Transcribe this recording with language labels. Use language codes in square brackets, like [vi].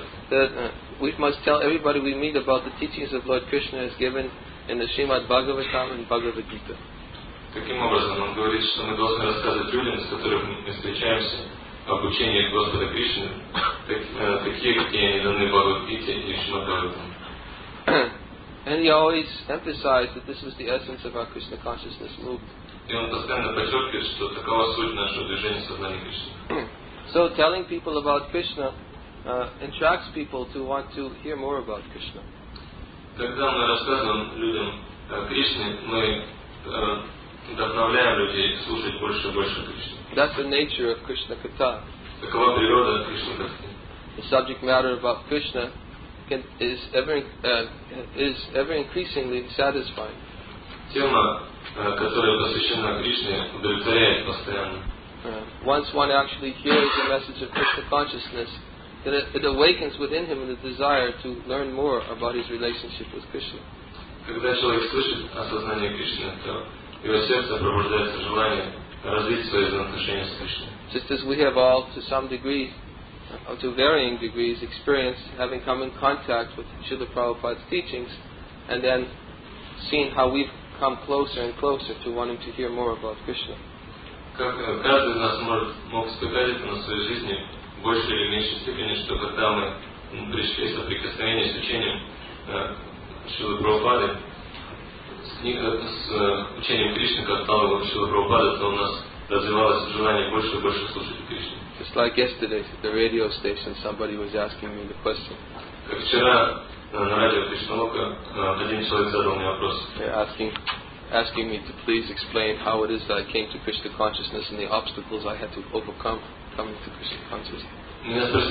[en] That we must tell everybody we meet about the teachings of Lord Krishna as given in the Srimad Bhagavatam and Bhagavad Gita. [ru] Таким образом, он говорит, что мы должны рассказывать людям, с которыми мы встречаемся, об учении Господа Кришны, такие, какие они даны в Бхагавад Гите и Шримад Бхагаватам. [en] And he always emphasized that this is the essence of our Krishna consciousness movement. [ru] И он постоянно подчеркивает, что такова суть нашего движения сознания Кришны. [en] So telling people about Krishna attracts people to want to hear more about Krishna. [ru] Когда мы рассказываем людям о Кришне, мы вдохновляем людей слушать больше и больше Кришны. [en] That's the nature of Krishna Katha. [ru] Такова природа Кришна Катхи. [en] The subject matter about Krishna is ever increasingly satisfying. [ru] Тема, которая посвящена Кришне, удовлетворяет постоянно. [en] Once one actually hears the message of Krishna consciousness, then it awakens within him the desire to learn more about his relationship with Krishna. [ru] Когда человек слышит о сознании Кришны, то его сердце пробуждается желание развить свои отношения с Кришной. [en] Just as we have all, to some degree, or to varying degrees, experienced having come in contact with Srila Prabhupada's teachings, and then seen how we've come closer and closer to wanting to hear more about Krishna. [ru] Как каждый из нас мог испытать это на своей жизни в большей или меньшей степени, что когда мы пришли в соприкосновение с учением Шрилы Прабхупады, с учением Кришны, как стало бы Шрилы Прабхупады, то у нас развивалось желание больше и больше слушать Кришну. [en] Just like yesterday, at the radio station, somebody was asking me the question. [ru] Как вчера на радио Кришналока один человек задал мне вопрос. [en] Asking me to please explain how it is that I came to Krishna consciousness and the obstacles I had to overcome coming to Krishna